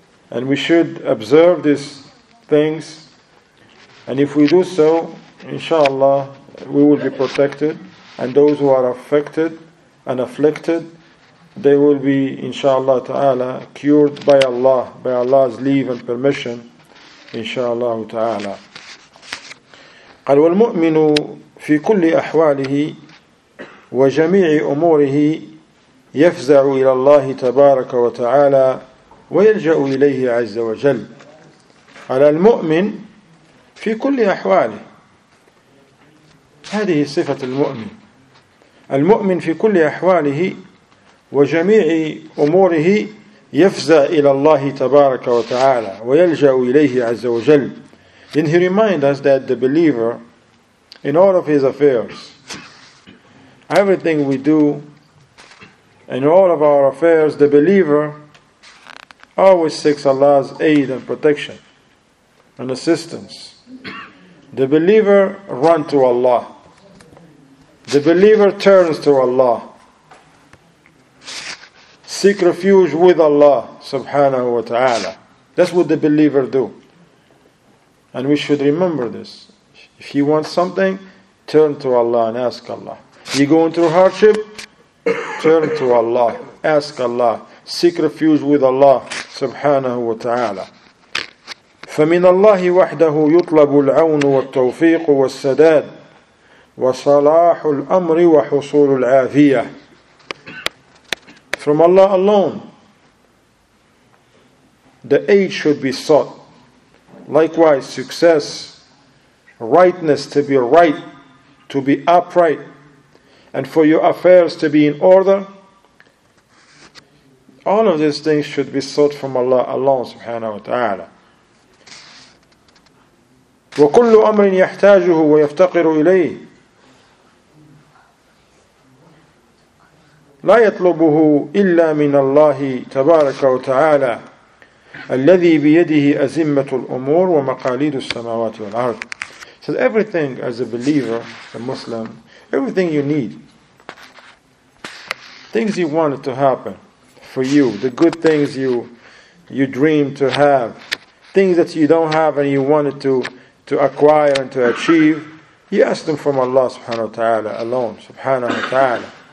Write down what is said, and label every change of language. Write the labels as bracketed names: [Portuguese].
[English] And we should observe these things, and if we do so, inshallah, we will be protected, and those who are affected and afflicted, they will be, inshallah ta'ala, cured by Allah, by Allah's leave and permission, inshallah ta'ala. [Arabic] قال والمؤمن في كل أحواله وجميع أموره يفزع إلى الله تبارك وتعالى ويلجأ إليه عز وجل. على المؤمن في كل أحواله, هذه صفة المؤمن. المؤمن في كل أحواله وجميع أموره يفزع إلى الله تبارك وتعالى ويلجأ إليه عز وجل. [English] Then he reminds us that the believer, in all of his affairs, everything we do, in all of our affairs, the believer always seeks Allah's aid and protection and assistance. The believer runs to Allah. The believer turns to Allah. Seek refuge with Allah subhanahu wa ta'ala. That's what the believer do. And we should remember this. If you want something, turn to Allah and ask Allah. You go into hardship, turn to Allah, ask Allah, seek refuge with Allah subhanahu wa ta'ala. [Arabic] فمن الله وحده يطلب العون والتوفيق والسداد وصلاح الأمر وحصول العافية. [English] From Allah alone, the aid should be sought. Likewise, success, rightness, to be right, to be upright, and for your affairs to be in order, all of these things should be sought from Allah alone, subhanahu wa ta'ala. [Arabic] وكل أمر يحتاجه ويفتقر إليه لا يطلبه إلا من الله تبارك وتعالى الذي بيده أزمة الأمور ومقاليد السماوات والأرض. [English] So everything as a believer, a Muslim, everything you need, things you want to happen for you, the good things you dream to have, things that you don't have and you wanted to acquire and to achieve, you ask them from Allah subhanahu wa ta'ala alone, subhanahu wa ta'ala.